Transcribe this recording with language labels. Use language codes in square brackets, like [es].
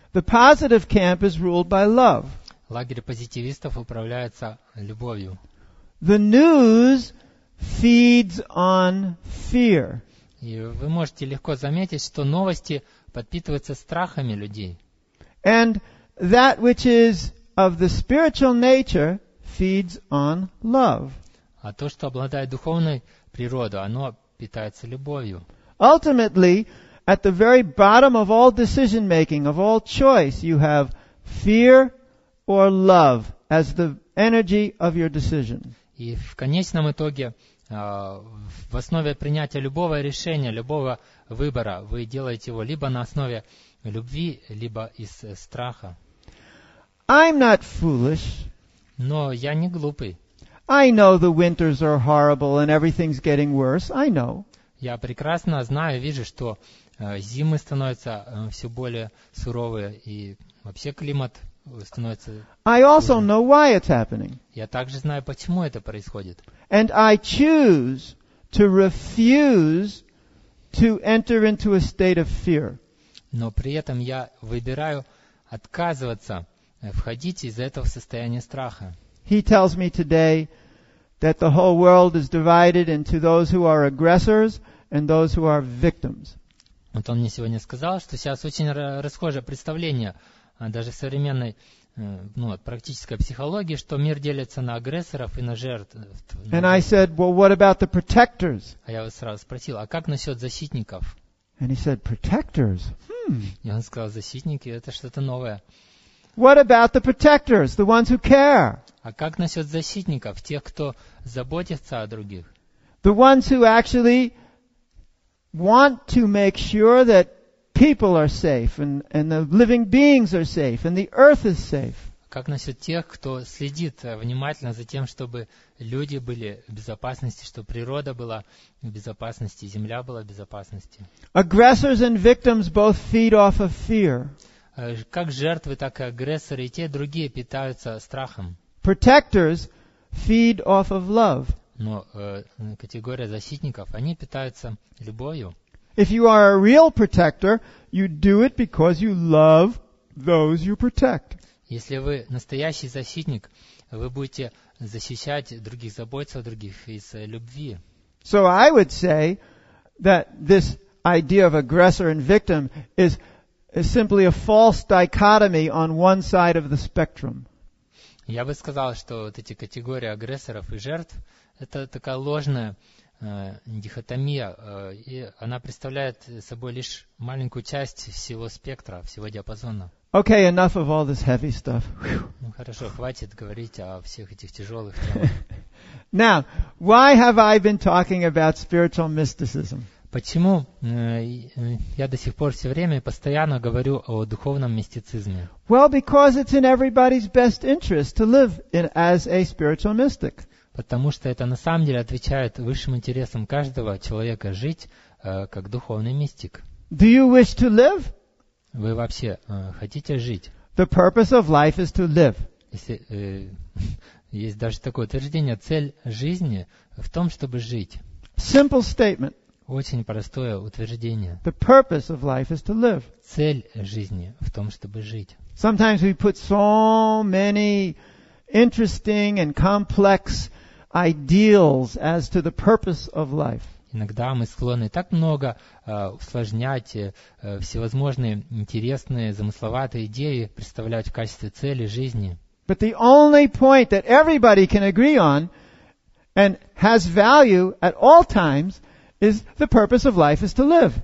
[en] The positive camp is ruled by love. [ru] Лагерь позитивистов управляется любовью. [en] The news feeds on fear. [ru] И вы можете легко заметить, что новости подпитываются страхами людей. [en] And that which is of the spiritual nature feeds on love. [ru] А то, что обладает духовной природой, оно питается любовью. [en] Ultimately, At the very bottom of all decision making, of all choice, you have fear or love as the energy of your decision. [ru] И в конечном итоге, в основе принятия любого решения, любого выбора, вы делаете его либо на основе любви, либо из страха. [en] I'm not foolish. [ru] Но я не глупый. [en] I know the winters are horrible and everything's getting worse. I know. [ru] Я прекрасно знаю, вижу, что зимы становятся все более суровые и вообще климат становится хуже. [en] I also know why it's happening. [ru] Я также знаю, почему это происходит. [en] And I choose to refuse to enter into a state of fear. [ru] Но при этом я выбираю отказываться входить из этого состояния страха. [en] He tells me today that the whole world is divided into those who are aggressors and those who are victims. [ru] Вот он мне сегодня сказал, что сейчас очень расхожее представление даже в современной практической психологии, что мир делится на агрессоров и на жертв. [en] And I said, well, what about the protectors? [ru] А я его сразу спросил, а как насчет защитников? [en] And he said, protectors? [ru] И он сказал, защитники, это что-то новое. [en] What about the protectors, the ones who care? [ru] А как насчет защитников, тех, кто заботится о других? [en] The ones who actually want to make sure that people are safe and the living beings are safe and the earth is safe. [ru] Как насчет тех, кто следит внимательно за тем, чтобы люди были в безопасности, чтобы природа была в безопасности, земля была в безопасности? [en] Aggressors and victims both feed off of fear. [ru] Как жертвы, так и агрессоры, и те, и другие питаются страхом. [en] Protectors feed off of love. [ru] Но категория защитников, они питаются любовью. [en] If you are a real protector, you do it because you love those you protect. [ru] Если вы настоящий защитник, вы будете защищать других, заботиться о других из любви. [en] So I would say that this idea of aggressor and victim is simply a false dichotomy on one side of the spectrum. [ru] Я бы сказал, что вот эти категории агрессоров и жертв это такая ложная дихотомия, и она представляет собой лишь маленькую часть всего спектра, всего диапазона. [en] Okay, enough of all this heavy stuff. [ru] Ну хорошо, хватит говорить о всех этих тяжелых темах. [en] Now, why have I been talking about spiritual mysticism? [ru] Почему я до сих пор все время постоянно говорю о духовном мистицизме? [en] Well, because it's in everybody's best interest to live in as a spiritual mystic. [ru] Потому что это на самом деле отвечает высшим интересам каждого человека жить как духовный мистик. [en] Do you wish to live? [ru] Вы вообще хотите жить? [en] The purpose of life is to live. [ru] Если, есть даже такое утверждение, цель жизни в том, чтобы жить. [en] Simple statement. [ru] Очень простое утверждение. [en] The purpose of life is to live. [ru] Цель жизни в том, чтобы жить. [en] Sometimes we put so many interesting and complex ideals as to the purpose of life. [ru] Иногда мы склонны так много усложнять всевозможные интересные, замысловатые идеи, представлять в качестве цели жизни. [en] But the only point that everybody can agree on and has value at all times is the purpose of life is to live.